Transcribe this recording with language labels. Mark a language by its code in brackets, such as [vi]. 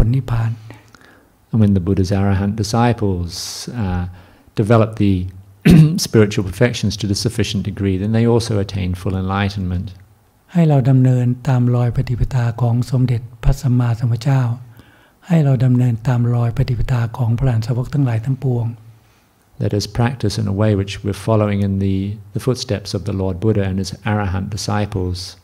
[en] And when the Buddha's Arahant disciples develop the spiritual perfections to the sufficient degree, then they also attain full enlightenment. [th] ให้เราดำเนินตามรอยปฏิปทาของสมเด็จพระสัมมาสัมพุทธเจ้าให้เราดำเนินตามรอยปฏิปทาของพระอรหันตสาวกทั้งหลายทั้งปวง [en] Let us practice in a way which we're following in the footsteps of the Lord Buddha and his Arahant disciples.